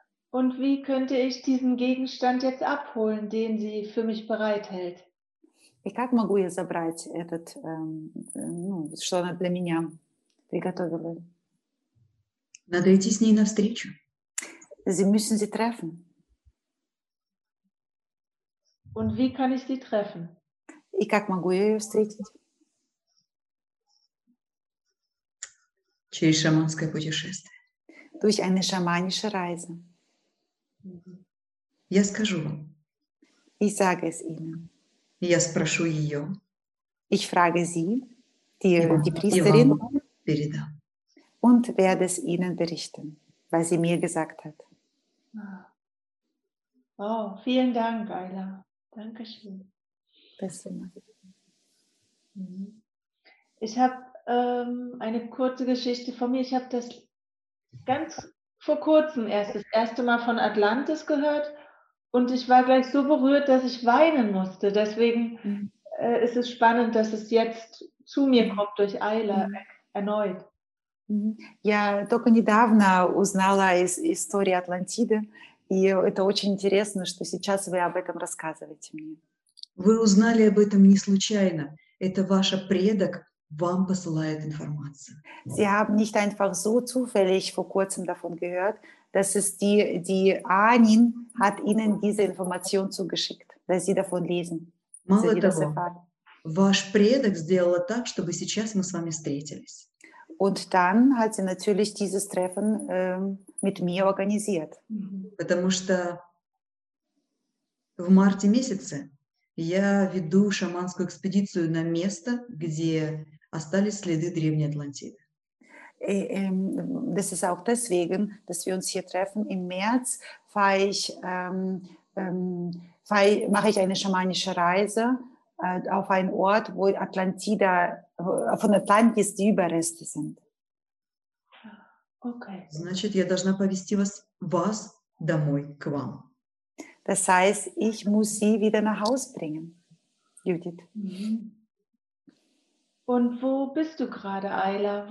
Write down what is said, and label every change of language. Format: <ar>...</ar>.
<de>Und wie könnte ich diesen Gegenstand jetzt abholen, den sie für mich bereithält?</de> <ru>И как могу я забрать этот, ну, что она для меня приготовила? Надо идти с ней навстречу.</ru> <de>Sie müssen sie treffen. Und wie kann ich sie treffen?</de> <ru>И как могу я ее встретить? Через шаманское путешествие.</ru> <de>Durch eine schamanische Reise.</de> <ru>Я скажу вам.</ru> <de>Ich sage es Ihnen.</de> <ru>Я спрошу ее.</ru> <de>Ich frage Sie, die Priesterin.</de> <ru>Передам.</ru> <de>Und werde es Ihnen berichten, was sie mir gesagt hat. Oh, vielen Dank, Ayla. Dankeschön. Beste Mann. Ich habe eine kurze Geschichte von mir. Ich habe das ganz vor kurzem erst das erste Mal von Atlantis gehört und ich war gleich so berührt, dass ich weinen musste. Deswegen ist es spannend, dass es jetzt zu mir kommt durch Ayla erneut.</de> <ru>Я только недавно узнала из истории Атлантиды, и это очень интересно, что сейчас вы об этом рассказываете мне. Вы узнали об этом не случайно. Это ваш предок. Вам посылает информацию.</ru> <de>Sie haben nicht einfach so zufällig vor kurzem davon gehört, dass es die Ahnin hat Ihnen diese Information zugeschickt, dass Sie davon lesen.</de> <ru>Мало того, ваш предок сделала так, чтобы сейчас мы с вами встретились.</ru> <de>Und dann hat sie natürlich dieses Treffen mit mir organisiert.</de> <ru>Потому что в марте месяце я веду шаманскую экспедицию на место, где остались следы древней Атлантиды.</ru> <de>Das ist auch deswegen, dass wir uns hier treffen. Im März mache ich eine schamanische Reise auf einen Ort, wo Atlantida, von Atlantis die Überreste sind. Okay.</de> <ru>Значит, я должна повести вас домой к вам.</ru> <de>Das heißt, ich muss sie wieder nach Hause bringen. Judith. Und wo bist du gerade, Ayla?</de>